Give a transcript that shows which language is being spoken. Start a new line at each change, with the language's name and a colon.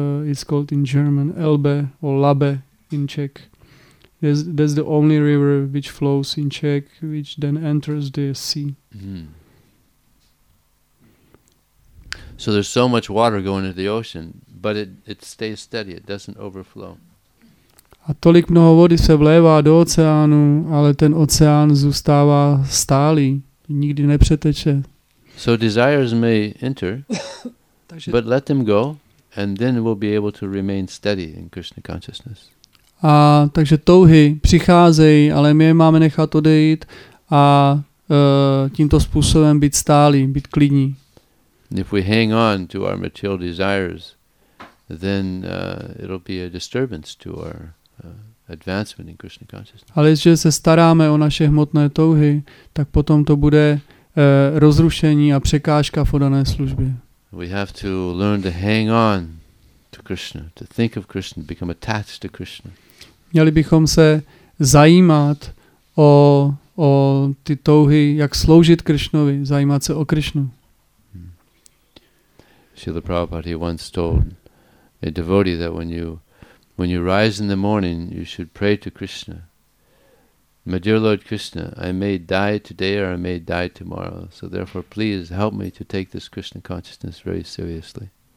English: It's called in German Elbe or Labe in Czech. That's the only river which flows in Czech, which then enters the sea. Mm-hmm. So there's so much water going into the ocean, but it stays steady, it doesn't overflow.
Czech: A tolik mnoho vody se vlévá do oceánu, ale ten oceán zůstává stálý, nikdy nepřeteče.
English: So desires may enter, but let them go, and then we'll be able to remain steady in Krishna consciousness.
Czech: A takže touhy přicházejí, ale my je máme nechat odejít a tímto způsobem být stálí, být klidní.
English: If we hang on to our material desires, then it'll be a disturbance to our advancement in Krishna consciousness.
Czech: Ale jestliže se staráme o naše hmotné touhy, tak potom to bude rozrušení a překážka v dané službě.
English: We have to learn to hang on to Krishna, to think of Krishna, become attached to Krishna.
Czech: Měli bychom se zajímat o ty touhy, jak sloužit Krishnovi, zajímat se o Krishnu.
English: Srila Prabhupada, he once told a devotee that when you rise in the morning, you should pray to Krishna. My dear Lord Krishna, I may die today or I may die tomorrow, so therefore please help me to take this Krishna consciousness very seriously.